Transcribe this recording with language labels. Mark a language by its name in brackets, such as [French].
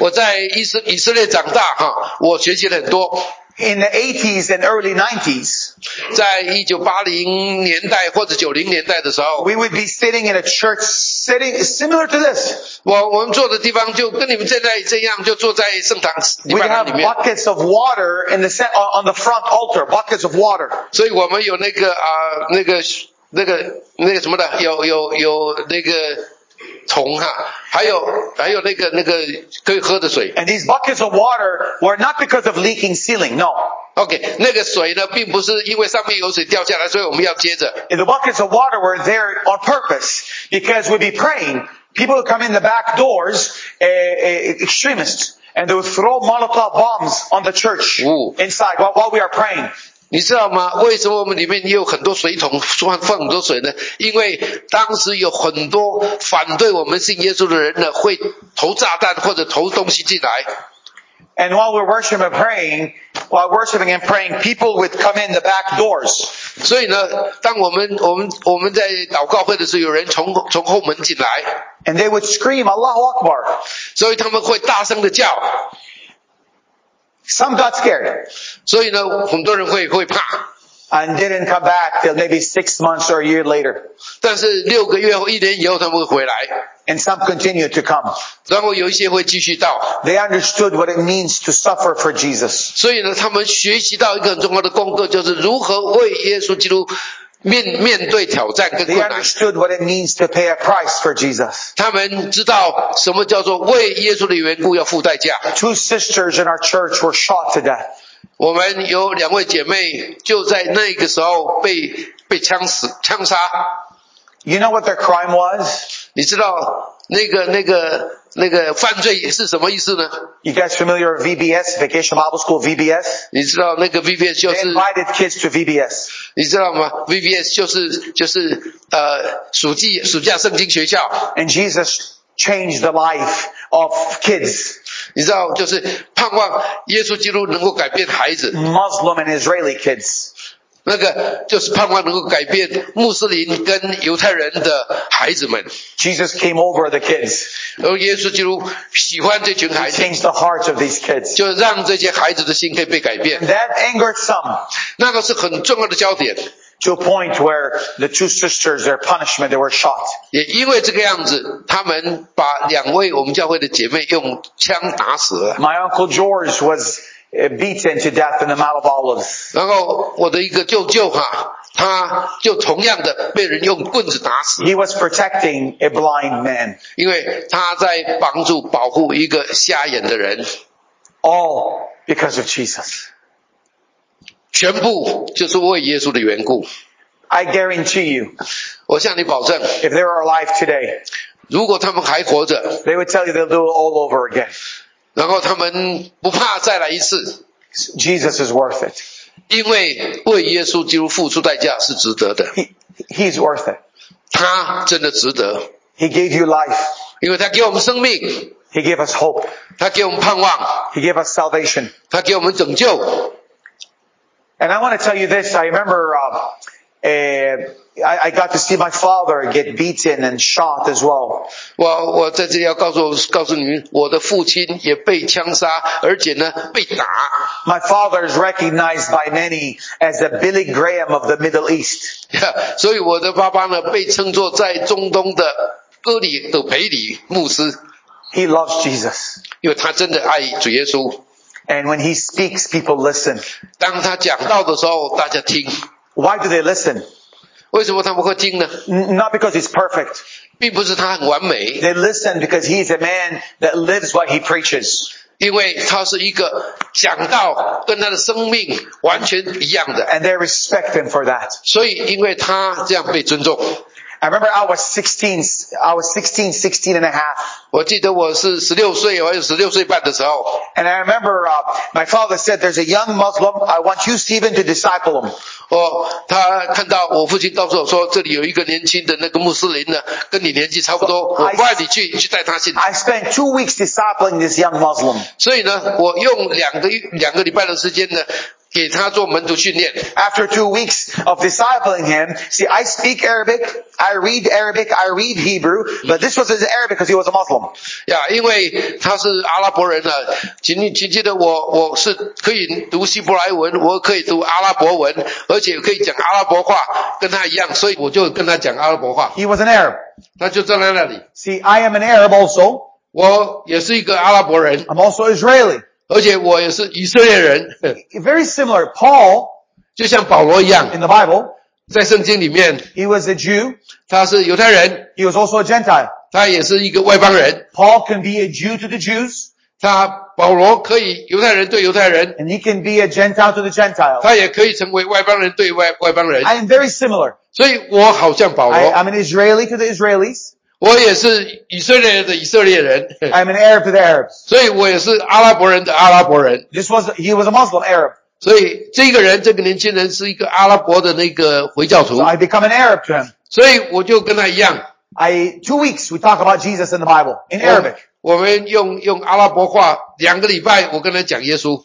[Chinese] 我在以色列长大，我学习了很多。 [English] In the 80s and early 90s, [Chinese] 在1980年代或者90年代的时候, [English] we would be sitting in a church setting similar to this. [Chinese] 我们坐的地方就跟你们现在这样，就坐在圣堂里面。 [English] We have buckets of water in the on the front altar, buckets of water. [Chinese] 所以我们有那个那个。 那个什么的，有那个虫啊，还有那个可以喝的水。 [English] And these buckets of water were not because of leaking ceiling, no. Okay, [Chinese] 那个水呢，并不是因为上面有水掉下来，所以我们要接着。 [English] And the buckets of water were there on purpose because we'd be praying. People would come in the back doors, extremists, and they would throw Molotov bombs on the church inside while we are praying. [Chinese] 你知道吗？为什么我们里面有很多水桶，放很多水呢？因为当时有很多反对我们信耶稣的人呢，会投炸弹或者投东西进来。 [English] And while we're worshiping and praying, people would come in the back doors. [Chinese] 所以呢，当我们在祷告会的时候，有人从后门进来。 [English] And they would scream, [Arabic] "Allahu Akbar!" [Chinese] 所以他们会大声的叫。 [English] Some got scared. [Chinese] 所以呢，很多人会怕。 [English] And didn't come back till maybe 6 months or a year later. [Chinese] 但是六个月或一年以后，他们会回来。 [English] And some continued to come. [Chinese] 然后有一些会继续到。 [English] They understood what it means to suffer for Jesus. [Chinese] 所以呢，他们学习到一个很重要的功课，就是如何为耶稣基督面对挑战跟困难。 [English] They understood what it means to pay a price for Jesus. [Chinese] 他们知道什么叫做为耶稣的缘故要付代价。 [English] Two sisters in our church were shot to death. [Chinese] 我们有两位姐妹就在那个时候被枪杀。 [English] You know what their crime was? [Chinese] 你知道那个犯罪是什么意思呢？ [English] You guys familiar with VBS? Vacation Bible School, VBS? [Chinese] 你知道那个 VBS 就是 [English] They invited kids to VBS. [Chinese] 你知道吗？VBS 就是暑假圣经学校。 [English] And Jesus changed the life of kids. [Chinese] 你知道就是盼望耶稣基督能够改变孩子。 [English] Muslim and Israeli kids. [Chinese] 那个就是盼望能够改变穆斯林跟犹太人的孩子们。 [English] Jesus came over the kids. [Chinese] 而耶稣基督喜欢这群孩子。 [English] He changed the hearts of these kids. [Chinese] 就让这些孩子的心可以被改变。 [English] And that angered some. [Chinese] 那个是很重要的焦点。 [English] To a point where the two sisters, their punishment, they were shot. [Chinese] 也因为这个样子，他们把两位我们教会的姐妹用枪打死了。 [English] My uncle George was. Beaten to death in the Mount of Olives. [Chinese] 然后我的一个舅舅哈，他就同样的被人用棍子打死。 [English] He was protecting a blind man. [Chinese] 因为他在保护一个瞎眼的人。 [English] All because of Jesus. [Chinese] 全部就是为耶稣的缘故。 [English] I guarantee you. [Chinese] 我向你保证。 [English] If they were alive today, [Chinese] 如果他们还活着 [English] ，They would tell you they'll do it all over again. [Chinese] 然后他们不怕再来一次。 [English] Jesus is worth it. [Chinese] 因为为耶稣基督付出代价是值得的。 [English] He's worth it. [Chinese] 他真的值得。 [English] He gave you life. [Chinese] 因为他给我们生命。 [English] He gave us hope. [Chinese] 他给我们盼望。 [English] He gave us salvation. [Chinese] 他给我们拯救。 [English] And I want to tell you this. I remember, I got to see my father get beaten and shot as well. [Chinese] 我在这里要告诉你，我的父亲也被枪杀，而且呢被打。 [English] My father is recognized by many as the Billy Graham of the Middle East. Yeah, [Chinese] 所以我的爸爸呢被称作在中东的哥里牧师。 [English] He loves Jesus. [Chinese] 因为他真的爱主耶稣。 [English] And when he speaks, people listen. [Chinese] 当他讲道的时候，大家听。 [English] Why do they listen? [Chinese] 为什么他们会听呢？ [English] Not because he's perfect. [Chinese] 并不是他很完美。 [English] They listen because he's a man that lives what he preaches. [Chinese] 因为他是一个讲道跟他的生命完全一样的。 [English] And they respect him for that. [Chinese] 所以因为他这样被尊重。 [English] I remember I was 16 and a half. [Chinese] 我记得我是16岁半的时候。 [English] And I remember, my father said, there's a young Muslim, I want you, Stephen, to disciple him. [Chinese] 他看到我父亲告诉我说，这里有一个年轻的那个穆斯林呢，跟你年纪差不多，我派你去带他信。 [English] I spent 2 weeks discipling this young Muslim. [Chinese] 所以呢，我用两个礼拜的时间呢，给他做门徒训练。 [English] After 2 weeks of discipling him, see, I speak Arabic, I read Arabic, I read Hebrew, but this was his Arabic because he was a Muslim. Yeah, [Chinese] 因为他是阿拉伯人请记得我是可以读希伯来文，我可以读阿拉伯文，而且可以讲阿拉伯话，跟他一样，所以我就跟他讲阿拉伯话。 [English] He was an Arab. [Chinese] 他就站在那里。 [English] See, I am an Arab also. [Chinese] 我也是一个阿拉伯人。 [English] I'm also Israeli. [Chinese] 而且我也是以色列人。 [English] Very similar, Paul, [Chinese] 就像保罗一样 [English] in the Bible, [Chinese] 在圣经里面 [English] he was a Jew, [Chinese] 他是犹太人 [English] he was also a Gentile, [Chinese] 他也是一个外邦人, [English] Paul can be a Jew to the Jews. [Chinese] 他保罗可以犹太人对犹太人, [English] and he can be a Gentile to the Gentile. [Chinese] 他也可以成为外邦人对外邦人, [English] I am very similar. [Chinese] 所以我好像保罗, [English] I'm an Israeli to the Israelis. [Chinese] 我也是以色列的以色列人, [English] I'm an Arab to the Arabs. [Chinese] 所以我也是阿拉伯人的阿拉伯人, [English] he was a Muslim Arab. [Chinese] 所以这个人,这个年轻人是一个阿拉伯的那个回教徒, [English] so I become an Arab to him. [Chinese] 所以我就跟他一样, [English] Two weeks we talk about Jesus in the Bible, in Arabic. [Chinese] 我们用阿拉伯话,两个礼拜我跟他讲耶稣,